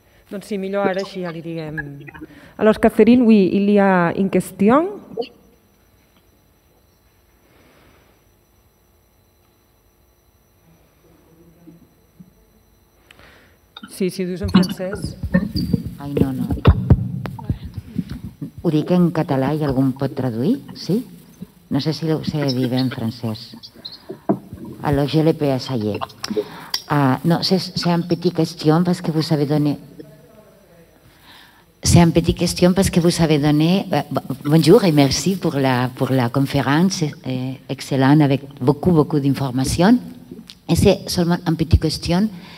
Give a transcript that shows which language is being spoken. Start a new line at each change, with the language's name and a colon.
Catalan: Doncs sí, millor ara, així ja li diguem.
French: Alors, Catherine, oui, il y a une question?
Catalan: Sí, si ho dius en francès. Ai, no. Ho dic en català i algú em pot traduir, sí? No sé si ho sé dir bé en francès.
French: Alors, je l'ai pas essayé. No, c'est un petit question parce que vous avez donné... C'est un petit question parce que vous avez donné... Bonjour et merci pour la conférence. Excellent, avec beaucoup, beaucoup d'informations. Et c'est seulement une petite question.